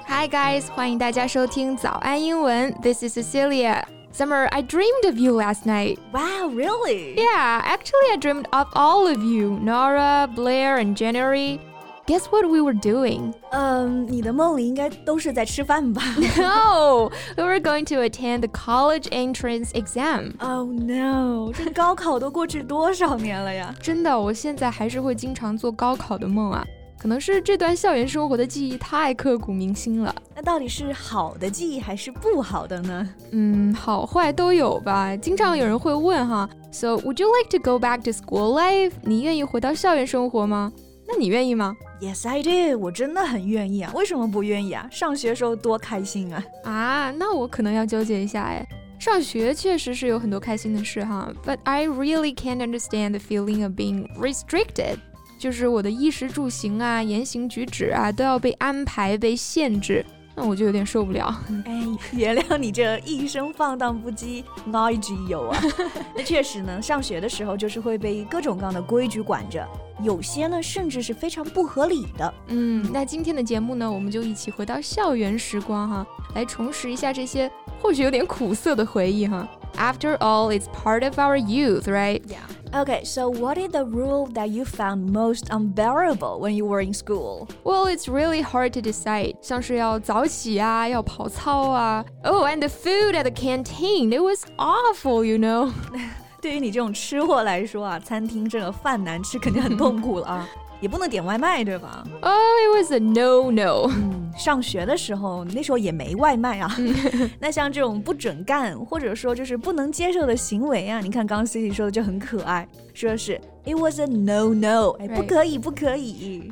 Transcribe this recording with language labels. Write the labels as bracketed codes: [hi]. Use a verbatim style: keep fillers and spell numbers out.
[en] Hi guys, [zh] 欢迎大家收听早安英文。 [en] This is Cecilia. Summer, I dreamed of you last night. Wow, really? Yeah, actually I dreamed of all of you, Nora, Blair, and January. Guess what we were doing? [zh] Um, 你的梦里应该都是在吃饭吧 [en] No, we were going to attend the college entrance exam. Oh no, [zh] 这高考都过去多少年了呀真的，我现在还是会经常做高考的梦啊。可能是这段校园生活的记忆太刻骨铭心了。那到底是好的记忆还是不好的呢？嗯，好坏都有吧。经常有人会问哈 [en] So, would you like to go back to school life? [zh] 你愿意回到校园生活吗？那你愿意吗？ [en] Yes, I do. [zh] 我真的很愿意啊。为什么不愿意啊？上学时候多开心啊。啊，那我可能要纠结一下哎。上学确实是有很多开心的事哈。 But I really can't understand the feeling of being restricted. 就是我的衣食住行啊，言行举止啊，都要被安排、被限制。那我就有点受不了。哎，原谅你这一生放荡不羁，爱之有啊。那确实呢，上学的时候就是会被各种各样的规矩管着，有些呢甚至是非常不合理的。嗯，那今天的节目呢，我们就一起回到校园时光哈，来重拾一下这些或许有点苦涩的回忆哈。 [en] After all, it's part of our youth, right? Yeah. Okay, so what is the rule that you found most unbearable when you were in school? Well, it's really hard to decide. [zh] 像是要早起啊，要跑操啊。 [en] Oh, and the food at the canteen, it was awful, you know. [zh] 对于你这种吃货来说啊，餐厅这个饭难吃肯定很痛苦了啊。也不能点外卖对吧 [en] Oh, it was a no-no、 [zh] 嗯、上学的时候那时候也没外卖啊那像这种不准干或者说就是不能接受的行为啊你看刚刚 Cici 说的就很可爱说是 [en] It was a no-no、 [zh] 哎、不可以不可以、